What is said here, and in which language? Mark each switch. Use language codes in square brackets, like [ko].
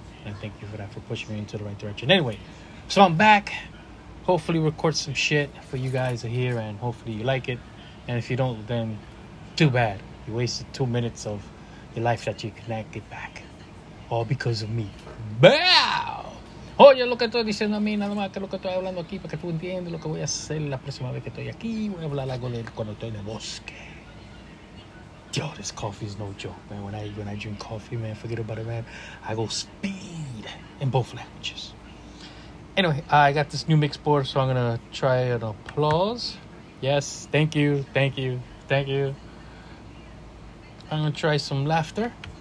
[en] And thank you for that, for pushing me into the right direction. Anyway, so I'm back. Hopefully record some shit for you guys here, and hopefully you like it. And if you don't, then too bad. You wasted 2 minutes of your life that you cannot get back. All because of me. Bow! [es] Oye, lo que estoy diciendo a mí, nada más que lo que estoy hablando aquí, para que tú entiendas lo que voy a hacer la próxima vez que estoy aquí. Voy a hablar algo de cuando estoy en el bosque. [en] Yo, this coffee is no joke, man. When I drink coffee, man, forget about it, man. I go speed in both languages. Anyway, I got this new mix board, so I'm going to try an applause. Yes, thank you, thank you, thank you. I'm going to try some laughter.